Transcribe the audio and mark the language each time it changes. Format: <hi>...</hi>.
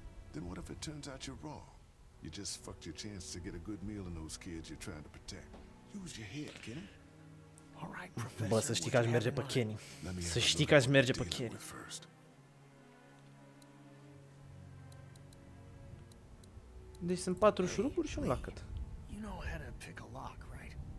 <en>Then what if it turns out you're wrong? You just fucked your chance to get a good meal in those kids you're trying to protect. Use your head, Kenny. All right, professor.</en> <ro>Bă, să știi că aș merge pe Kenny. Să știi că aș merge pe Kenny. Deci sunt patru șuruburi și un lacăt.</ro> <en>You know how to pick a lock, right?</en>